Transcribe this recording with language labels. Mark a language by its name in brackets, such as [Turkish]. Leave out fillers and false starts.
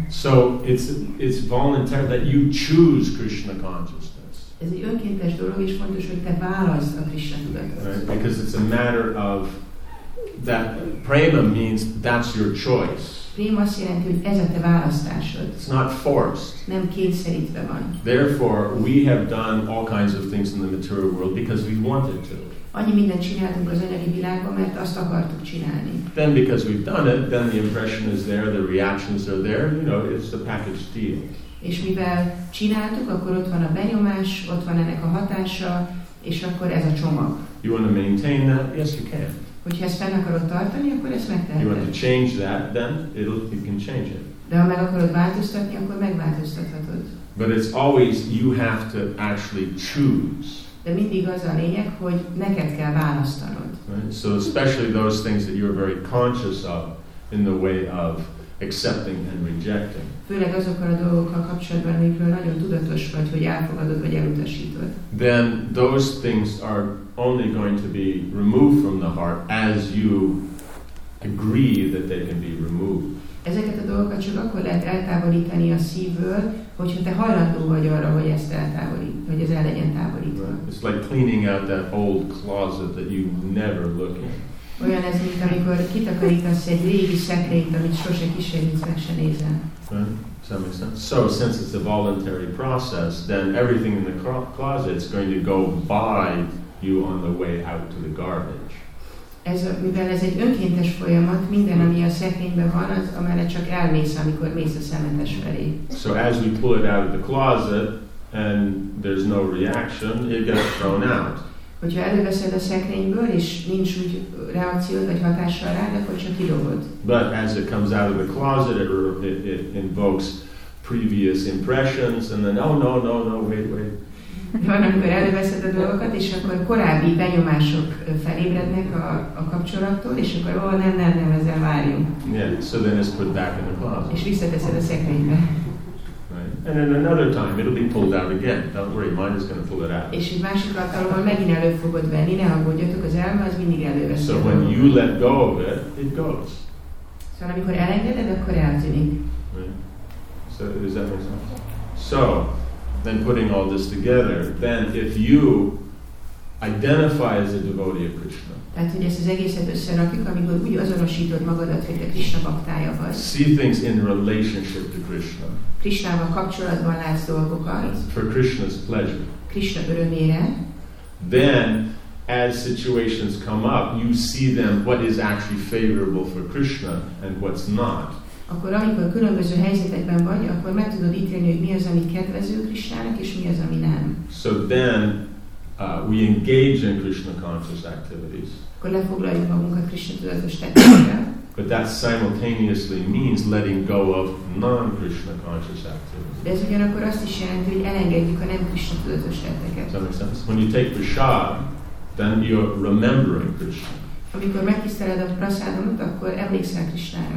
[English] So it's voluntary that you choose Krishna consciousness. [Hungarian] Ez egy önkéntes dolog, és fontos, hogy te válaszd a Krishna tudatot. [English] Because it's a matter of that prema means that's your choice. [Hungarian] Prema azt jelenti, hogy ez a te választásod. [English] It's not forced. [Hungarian] Nem kényszerítve van. [English] Therefore, we have done all kinds of things in the material world because we wanted to. [Hungarian] Annyi mindent csináltunk az anyagi világban, mert azt akartuk csinálni. [English] Then because we've done it, then the impression is there, the reactions are there, you know, it's the package deal. [Hungarian] És mivel csináltuk, akkor ott van a benyomás, ott van ennek a hatása, és akkor ez a csomag. [English] You want to maintain that? Yes, you can. [Hungarian] Hogyha ezt fenn akarod tartani, akkor ezt megteheted. [English] You want to change that, then you can change it. [Hungarian] De ha meg akarod változtatni, akkor megváltoztathatod. [English] But it's always you have to actually choose. [Hungarian] De mindig az a lényeg, hogy neked kell választanod. [English] Right? So especially those things that you're very conscious of in the way of accepting and rejecting. [Hungarian] Főleg azokkal a dolgokkal kapcsolatban, amikről nagyon tudatos vagy, hogy elfogadod vagy elutasítod. [English] Then those things are only going to be removed from the heart as you agree that they can be removed. [Hungarian] Ezeket a dolgokat csak akkor lehet eltávolítani a szívből, hogyha te hajlandó vagy arra, hogy ezt eltávolít, hogy ez el legyen távolítva. [English] Right. It's like cleaning out that old closet that you never look in. [Hungarian] Olyan ez, mint amikor kitakarítasz egy régi szekrényt, amit sose kísérítsz, meg se nézel. [English] So since it's a voluntary process, then everything in the closet is going to go by you on the way out to the garbage. [Hungarian] Ez a, mivel ez egy önkéntes folyamat, minden, ami a szekrényben van, az amelyre csak elmész, amikor mész a szemetes felé. [English] So as we pull it out of the closet, and there's no reaction, it gets thrown out. [Hungarian] Hogyha előveszed a szekrényből, és nincs úgy reakciód, vagy hatással rád, akkor csak kidobod. [English] But as it comes out of the closet, it invokes previous impressions, and then, wait. [Hungarian] Van, amikor előveszed a dolgokat, és akkor korábbi benyomások felébrednek a kapcsolattól, és akkor, nem, ezzel várjunk. [English] Yeah, so then it's put back in the closet. [Hungarian] És visszateszed a szekrénybe. [English] Right. And then another time, it'll be pulled out again. Don't worry, mine is going to pull it out. [Hungarian] És egy másik alkalommal megint elő fogod venni, ne aggódjatok, az elme az mindig előveszed. [English] So when you let go of it, it goes. [Hungarian] Szóval amikor elengeded, akkor eltűnik. [English] Right. So, is that right? So, then putting all this together, then if you identify as a devotee of Krishna. [Hungarian] Tehát, hogy ezt az egészet összerakjuk, amikor úgy azonosítod magadat, hogy te Krishna baktája vagy. [English] See things in relationship to Krishna. [Hungarian] Krishnával kapcsolatban látsz dolgokat. [English] For Krishna's pleasure. [Hungarian] Krishna örömére. [English] Then, as situations come up, you see them, what is actually favorable for Krishna and what's not. [Hungarian] Akkor amikor különböző helyzetekben vagy, akkor meg tudod ítélni, hogy mi az, ami kedvező Krishnának, és mi az, ami nem. [English] So then, we engage in Krishna conscious activities. [Hungarian] Akkor lefoglaljuk magunkat Krishna tudatos tetteivel. [English] But that simultaneously means letting go of non-Krishna conscious activities. [Hungarian] De ez ugyanakkor azt is jelenti, hogy elengedjük a nem Krishna tudatos tetteket. [English] Does that make sense? When you take prasad, then you're remembering Krishna. [Hungarian] Amikor megtiszteled a prasadamot, akkor emlékszel Krishnára.